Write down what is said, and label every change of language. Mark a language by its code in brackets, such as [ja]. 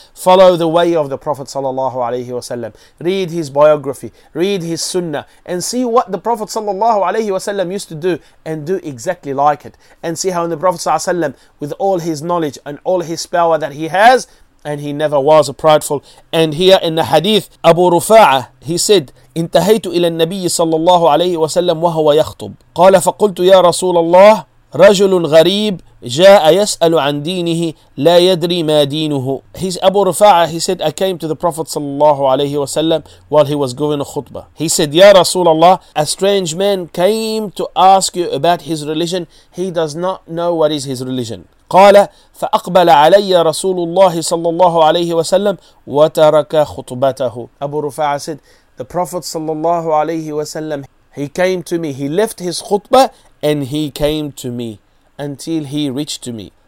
[en] Follow the way of the Prophet sallallahu alayhi wa sallam. Read his biography, read his sunnah, and see what the Prophet sallallahu alayhi wa sallam used to do, and do exactly like it. And see how the Prophet sallallahu alayhi wa sallam, with all his knowledge and all his power that he has, and he never was a prideful. And here in the hadith, Abu Rufa'a, he said, [ar] انتهيت إلى النبي صلى الله عليه وسلم وهو يخطب. قال فقلت يا رسول الله رجل غريب جاء يسأل عن دينه لا يدري ما دينه. [en] He's Abu Rufa'a. He said, I came to the Prophet [ar] صلى الله عليه وسلم [en] while he was giving a khutbah. He said, [ar] يا رسول الله, [en] a strange man came to ask you about his religion. He does not know what is his religion. [ar] قال فأقبل علي رسول الله صلى الله عليه وسلم وترك خطبته. [en] Abu Rufa'a said, the Prophet sallallahu alayhi wa sallam, he came to me, he left his khutbah and he came to me until he reached to me.